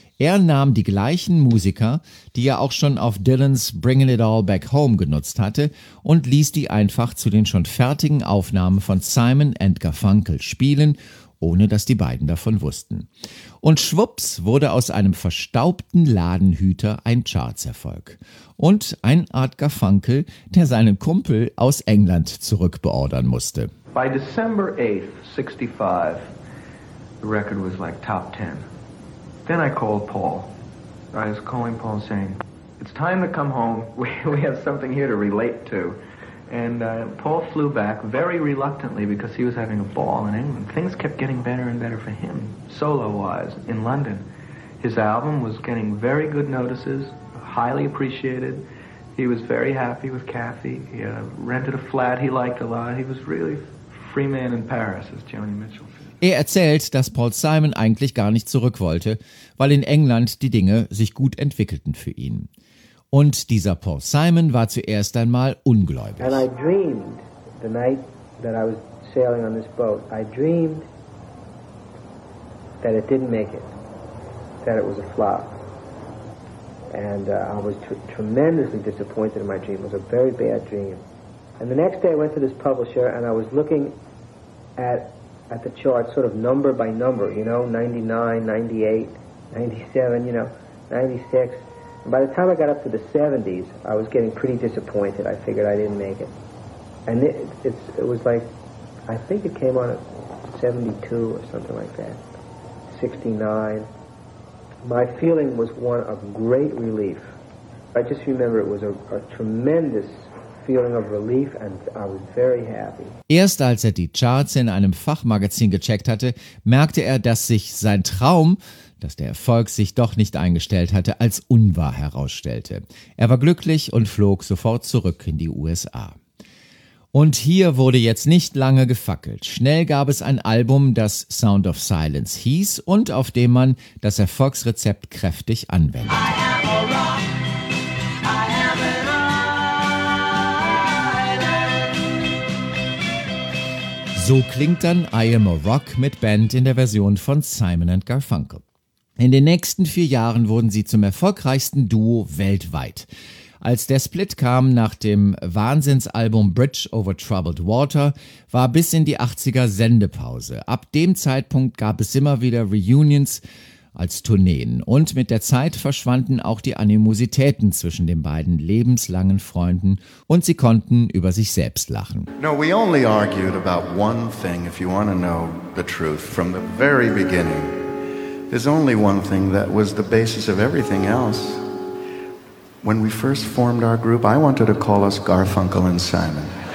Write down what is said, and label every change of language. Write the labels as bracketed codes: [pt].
[de] Er nahm die gleichen Musiker, die er auch schon auf Dylans Bringin' It All Back Home genutzt hatte, und ließ die einfach zu den schon fertigen Aufnahmen von Simon & Garfunkel spielen, ohne dass die beiden davon wussten. Und schwupps wurde aus einem verstaubten Ladenhüter ein Charts-Erfolg. Und ein Art Garfunkel, der seinen Kumpel aus England zurückbeordern musste. [en] By December 8th, 65, the record was like top 10. Then I called Paul. I was calling Paul saying, it's time to come home. We have something here to relate to. And Paul flew back very reluctantly because he was having a ball in England. Things kept getting better and better for him, solo-wise, in London. His album was getting very good notices, highly appreciated. He was very happy with Kathy. He rented a flat he liked a lot. He was really free man in Paris, as Joni Mitchell. [de] Er erzählt, dass Paul Simon eigentlich gar nicht zurück wollte, weil in England die Dinge sich gut entwickelten für ihn. Und dieser Paul Simon war zuerst einmal ungläubig. [en] And I dreamed the night that I was sailing on this boat. I dreamed that it didn't make it, that it was a flop. And I was tremendously disappointed in my dream. It was a very bad dream. And the next day I went to this publisher and I was looking at the chart, sort of number by number, you know, 99, 98, 97, you know, 96. And by the time I got up to the 70s, I was getting pretty disappointed. I figured I didn't make it. And it was like, I think it came on at 72 or something like that, 69. My feeling was one of great relief. I just remember it was a tremendous feeling of relief and I was very happy. [de] Erst als er die Charts in einem Fachmagazin gecheckt hatte, merkte er, dass sich sein Traum, dass der Erfolg sich doch nicht eingestellt hatte, als unwahr herausstellte. Er war glücklich und flog sofort zurück in die USA. Und hier wurde jetzt nicht lange gefackelt. Schnell gab es ein Album, das Sound of Silence hieß und auf dem man das Erfolgsrezept kräftig anwendete. [en] I am a rock. I am an island. [de] So klingt dann I Am A Rock mit Band in der Version von Simon & Garfunkel. In den nächsten 4 Jahren wurden sie zum erfolgreichsten Duo weltweit. Als der Split kam nach dem Wahnsinnsalbum Bridge Over Troubled Water, war bis in die 80er Sendepause. Ab dem Zeitpunkt gab es immer wieder Reunions als Tourneen. Und mit der Zeit verschwanden auch die Animositäten zwischen den beiden lebenslangen Freunden und sie konnten über sich selbst lachen. [en] No, we only argued about one thing, if you want to know the truth, from the very beginning. There's only one thing that was the basis of everything else. When we first formed our group, I wanted to call us Garfunkel and Simon.